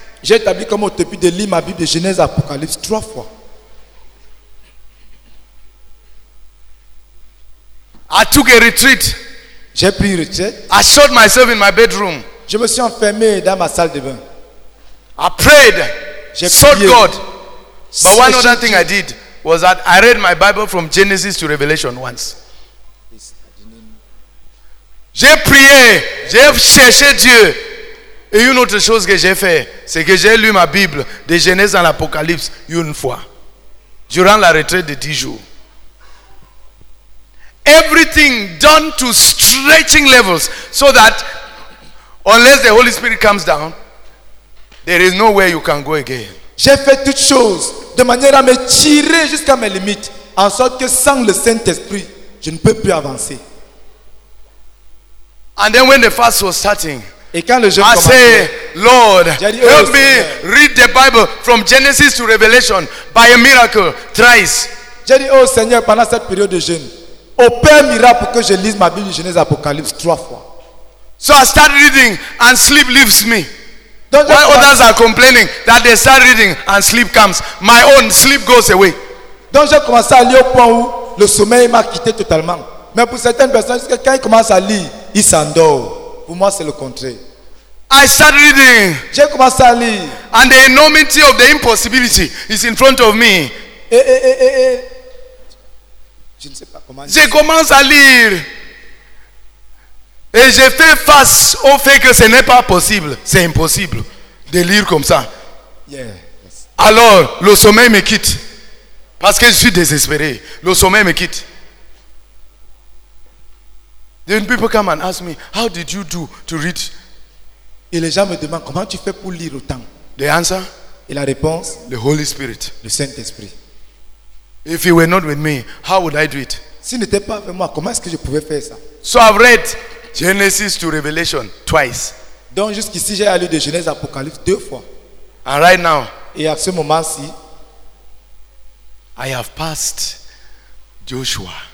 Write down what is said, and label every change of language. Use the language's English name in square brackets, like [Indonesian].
[French] J'ai établi comme objectif de lire ma Bible Genèse Apocalypse trois fois. [English] I took a retreat. [French] J'ai pris une retraite. [English] I shut myself in my bedroom. [French] Je me suis enfermé dans ma salle de bain. [English] I prayed. [French] J'ai [English] sought [French] prié. [English] God. But one other thing I did was that I read my Bible from Genesis to Revelation once. [French] J'ai prié, j'ai cherché Dieu. Et une autre chose que j'ai fait, c'est que j'ai lu ma Bible de Genèse à l'Apocalypse une fois durant la retraite de 10 jours. [English] Everything done to stretching levels so that unless the Holy Spirit comes down, there is nowhere you can go again. [French] J'ai fait toutes choses de manière à me tirer jusqu'à mes limites, en sorte que sans le Saint-Esprit, je ne peux plus avancer. [English] And then when the fast was starting, [French] et quand le jeûne [English] I [French] commençait, [English] say, Lord, [French] dit, [English] help me read the Bible from Genesis to Revelation by a miracle thrice. [French] J'ai dit, oh Seigneur, pendant cette période de jeûne, opère miracle pour que je lise ma Bible Genèse Apocalypse trois fois. [English] So I start reading and sleep leaves me. While others are complaining that they start reading and sleep comes, my own sleep goes away. [French] Donc j'ai commencé à lire au point où le sommeil m'a quitté totalement. Mais pour certaines personnes, quand ils commencent à lire, ils s'endorment. Pour moi, c'est le contraire. [English] I start reading. [French] J'ai commencé à lire. [English] And the enormity of the impossibility is in front of me. [French] Je ne sais pas comment. Je commence à lire. Et j'ai fait face au fait que ce n'est pas possible, c'est impossible de lire comme ça. [English] Yes. [French] Alors, le sommeil me quitte. Parce que je suis désespéré. Le sommeil me quitte. [English] Then people come and ask me, how did you do to read? [French] Et les gens me demandent, comment tu fais pour lire autant? [English] The answer? [French] Et la réponse? [English] The Holy Spirit. [French] Le Saint-Esprit. [English] If you were not with me, how would I do it? [French] S'il n'était pas avec moi, comment est-ce que je pouvais faire ça? [English] So I've read Genesis to Revelation twice. [French] Donc jusqu'ici j'ai lu de Genèse à Apocalypse deux fois. [English] And right now, [French] et à ce moment-ci, [English] I have passed Joshua.